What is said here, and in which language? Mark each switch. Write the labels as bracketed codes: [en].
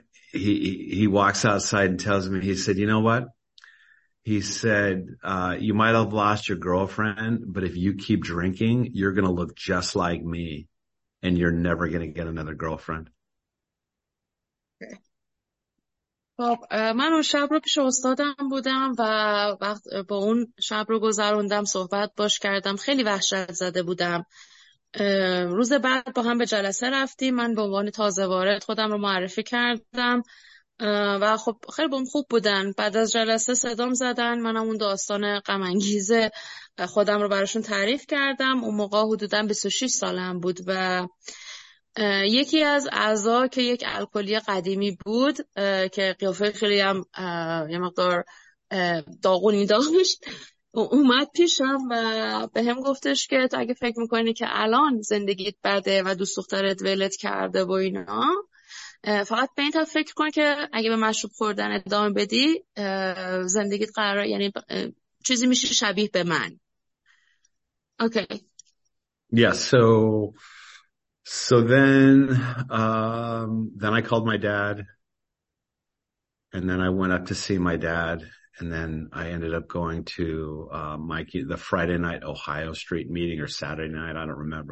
[en] He walks outside and tells me, he said, you know what? He said, you might have lost your girlfriend, but if you keep drinking, you're going to look just like me. And you're never going to get another girlfriend. Okay. [fa] خب من اون شب رو پیش استادم بودم و وقت با اون شب رو گذروندم، صحبت باش کردم، خیلی وحشت زده بودم. روز بعد با هم به جلسه رفتیم، من به عنوان تازه وارد خودم رو معرفی کردم و خب خیلی بهم خوب بودن. بعد از جلسه صدام زدن، منم اون داستان غم انگیز خودم رو براشون تعریف کردم. اون موقع حدودا 26 سالم بود و یکی از اعضا که یک الکلی قدیمی بود که قیافه خیلی هم یه مقدار داغونی داشت اومد پیشم و به هم گفتش که تو اگه فکر میکنی که الان زندگیت بده و دوست دخترت ولت کرده و اینا، فقط به این طرف فکر کن که اگه به مشروب خوردن ادامه بدی زندگیت قراره، یعنی چیزی میشه شبیه به من. اوکی. [en] So then I called my dad and then I went up to see my dad and then I ended up going to the Friday night Ohio Street meeting or Saturday night. I don't remember.